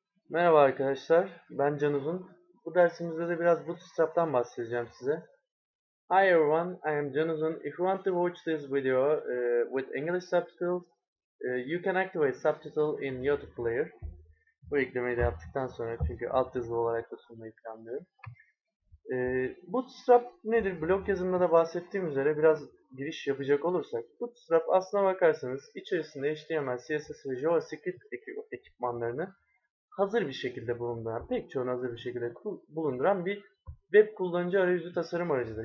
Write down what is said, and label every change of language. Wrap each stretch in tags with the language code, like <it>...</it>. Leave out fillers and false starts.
<tr>Merhaba arkadaşlar, ben Can Uzun. Bu dersimizde de biraz Bootstrap'tan bahsedeceğim size.</tr> <en>Hi everyone, I am Can Uzun. If you want to watch this video with English subtitles, you can activate subtitle in YouTube Player.</en> <tr>Bu eklemeyi de yaptıktan sonra, çünkü alt yazılı olarak da sunmayı planlıyorum. Bootstrap nedir? Blog yazımında da bahsettiğim üzere biraz giriş yapacak olursak, Bootstrap aslına bakarsanız içerisinde HTML, CSS ve JavaScript ekipmanlarını hazır bir şekilde bulunduran, pek çoğunu hazır bir şekilde bulunduran bir web kullanıcı arayüzü tasarım aracıdır.</tr>